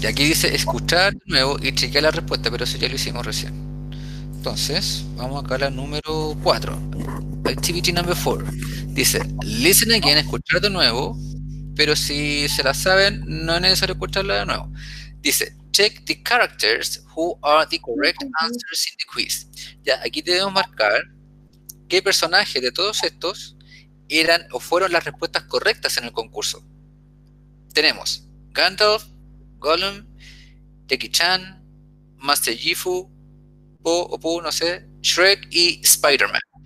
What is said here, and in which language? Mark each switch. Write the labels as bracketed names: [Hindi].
[Spanish] Y aquí dice escuchar de nuevo y chequear la respuesta, pero eso ya lo hicimos recién. Entonces, vamos acá a la número 4. [English] Activity number 4. [Spanish] Dice, [English] listen again, [Spanish] escuchar de nuevo. Pero si se la saben, no es necesario escucharla de nuevo. [English] Dice, check the characters who are the correct answers in the quiz. [Spanish] Ya, aquí debemos marcar qué personajes de todos estos eran o fueron las respuestas correctas en el concurso. Tenemos Gandalf, Gollum, Jackie Chan, Master Yifu, Po, no sé, Shrek y Spider-Man.